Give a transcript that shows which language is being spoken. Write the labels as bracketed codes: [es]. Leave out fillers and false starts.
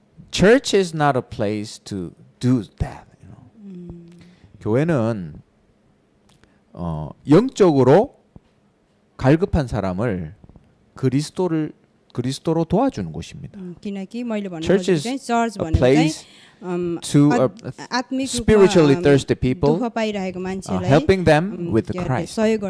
[en] Church is not a place to do that. You know? [ko] 교회는 영적으로 갈급한 사람을 그리스도로 도와주는 곳입니다. [en] Church is a place to spiritually thirsty people, helping them with the Christ.